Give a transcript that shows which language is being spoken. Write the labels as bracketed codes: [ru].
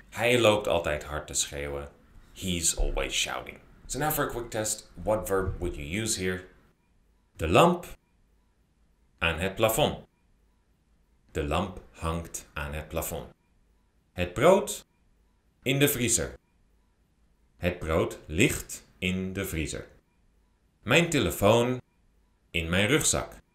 [nl] Hij loopt altijd hard te schreeuwen. [en] He's always shouting. So now for a quick test, what verb would you use here? [nl] De lamp aan het plafond. De lamp hangt aan het plafond. Het brood in de vriezer. Het brood ligt in de vriezer. Mijn telefoon in mijn rugzak.